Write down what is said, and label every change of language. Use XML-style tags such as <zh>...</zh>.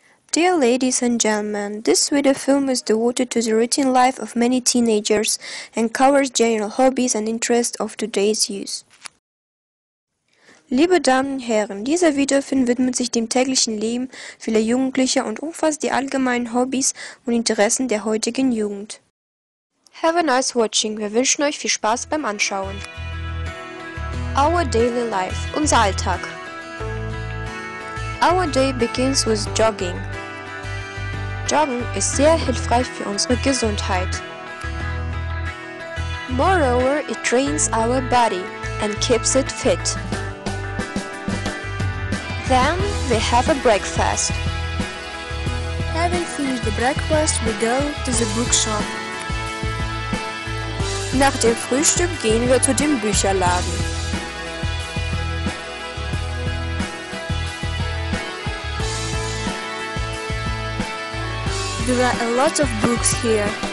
<en>Dear ladies and gentlemen, this video film is devoted to the routine life of many teenagers and covers general hobbies and interests of today's youth.</en> <de>Liebe Damen und Herren, dieser Videofilm widmet sich dem täglichen Leben vieler Jugendlicher und umfasst die allgemeinen Hobbys und Interessen der heutigen Jugend.</de> <en>Have a nice watching.</en> <de>Wir wünschen euch viel Spaß beim Anschauen.</de> <en>Our daily life.</en> <de>Unser Alltag.</de> <en>Our day begins with jogging.</en> <de>Joggen ist sehr hilfreich für unsere Gesundheit.</de> <en>Moreover, it trains our body and keeps it fit. Then we have a breakfast. Having finished the breakfast, we go to the bookshop.</en> <de>Nach dem Frühstück gehen wir zu dem Bücherladen.</de> <en>There are a lot of books here.</en>